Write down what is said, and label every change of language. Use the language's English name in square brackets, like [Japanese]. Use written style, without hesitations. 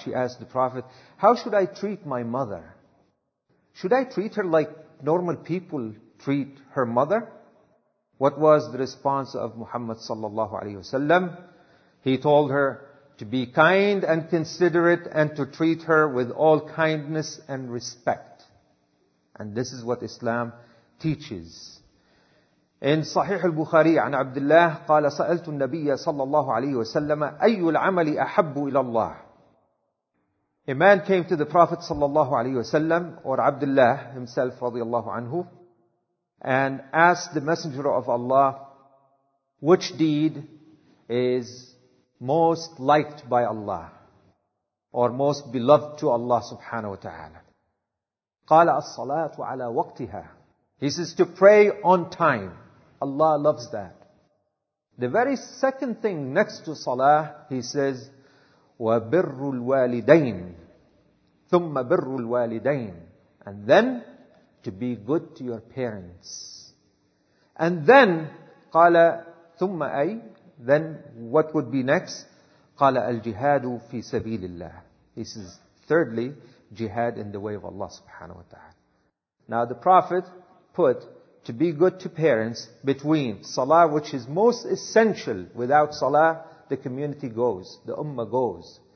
[English] She asked the Prophet, how should I treat my mother? Should I treat her like normal people treat her mother? What was the response of Muhammad sallallahu alayhi wasallam? He told her to be kind and considerate and to treat her with all kindness and respect. And this is what Islam teaches. In Sahih al-Bukhari, [Arabic] عن عبد الله قال سألت النبي صلى الله عليه وسلم أي العمل أحب إلى الله. [English] A man came to the Prophet [Arabic] صلى الله عليه وسلم, [English] or Abdullah himself [Arabic] رضي الله عنه, [English] and asked the Messenger of Allah, which deed is most liked by Allah or most beloved to Allah subhanahu wa ta'ala. [Arabic] قال الصلاة على وقتها. [English] He says to pray on time. Allah loves that. The very second thing next to salah, he says, [Arabic] وَبِرُّ الْوَالِدَيْنِ ثُمَّ بِرُّ الْوَالِدَيْنِ. [English] And then, to be good to your parents. And then, [Arabic] قَالَ ثُمَّ أَيْ. [English] Then, what would be next? [Arabic] قَالَ الْجِهَادُ فِي سَبِيلِ اللَّهِ. [English] He says, thirdly, jihad in the way of Allah subhanahu wa ta'ala. Now, the Prophet put to be good to parents between salah, which is most essential. Without salah, the community goes, the ummah goes.